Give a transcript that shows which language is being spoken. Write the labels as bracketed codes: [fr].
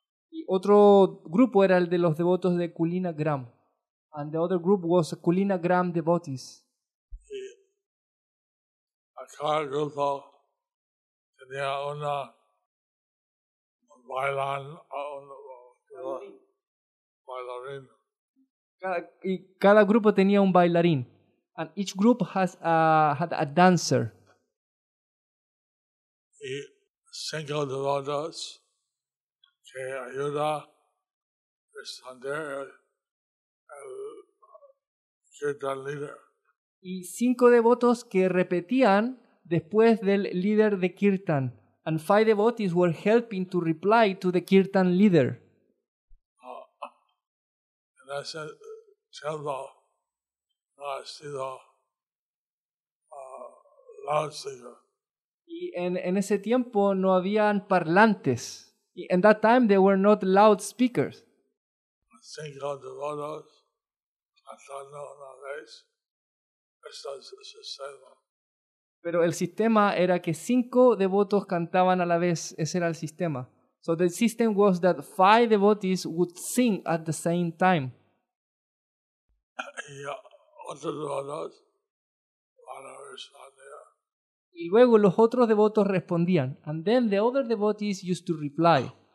[es] Y otro grupo era el de los devotos de Kulina Gram. [en] And the other group was Kulina Gram devotees. [es] Y cada grupo tenía una bailarín. Cada grupo tenía un bailarín. [en] And each group had a dancer. [es] Y cinco devotos que ayuda a responder al Kirtan leader. Y cinco devotos que repetían después del líder de Kirtan. [en] And five devotees were helping to reply to the Kirtan leader. [es] En ese templo no ha sido loudspeaker. Y en ese tiempo no habían parlantes. [en] In that time there were not loudspeakers. [es] Cinco devotos cantando una vez. Este es el sistema. Pero el sistema era que cinco devotos cantaban a la vez. Ese era el sistema. [en] So the system was that five devotees would sing at the same time. [es] Y otros devotos van a responder. Y luego los otros devotos respondían. [en] And then the other devotees used to reply.